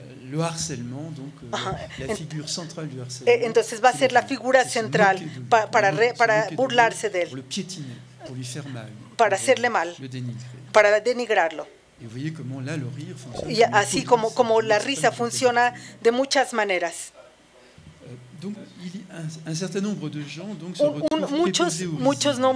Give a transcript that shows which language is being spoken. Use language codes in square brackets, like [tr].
[fr] Le harcèlement, donc, la figure centrale du [es] harcèlement. Entonces va a ser la figura central para burlarse de él, [fr] pour le piétiner, pour lui faire mal, [es] para hacerle mal, [fr] le dénigrer. [es] Para denigrarlo. [fr] Et vous voyez comment, là, le rire fonctionne, [es] y así como la risa funciona de muchas maneras. [fr] Donc, il y a un certain nombre de gens donc se retrouvent